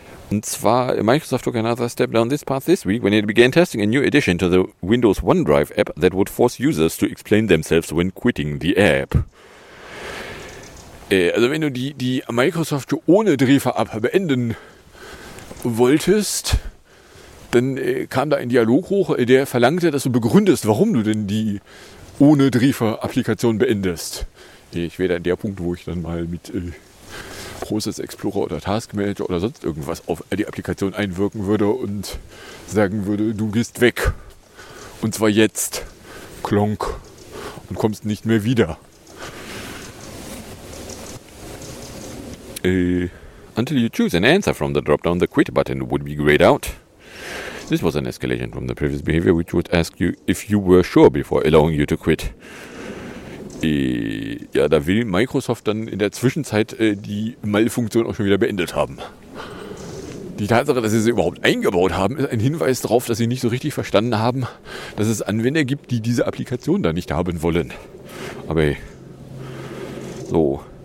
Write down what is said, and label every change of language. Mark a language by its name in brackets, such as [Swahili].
[German] Und zwar, [English] Microsoft took another step down this path this week when it began testing a new addition to the Windows OneDrive app that would force users to explain themselves when quitting the app. [German] Also wenn du die Microsoft ohne Drehverab beenden wolltest, dann kam da ein Dialog hoch, der verlangte, dass du begründest, warum du denn die ohne Drehverapplikation beendest. Ich wäre dann der Punkt, wo ich dann mal mit Process Explorer oder Task Manager oder sonst irgendwas auf die Applikation einwirken würde und sagen würde, du gehst weg Und zwar jetzt. Klonk. Und kommst nicht mehr wieder. [English] Until you choose an answer from the drop-down, the quit button would be grayed out. This was an escalation from the previous behavior, which would ask you if you were sure before allowing you to quit. [German] Ja, da will Microsoft dann in der Zwischenzeit die Mail-Funktion auch schon wieder beendet haben. Die Tatsache, dass sie sie überhaupt eingebaut haben, ist ein Hinweis darauf, dass sie nicht so richtig verstanden haben, dass es Anwender gibt, die diese Applikation da nicht haben wollen. Aber hey. So.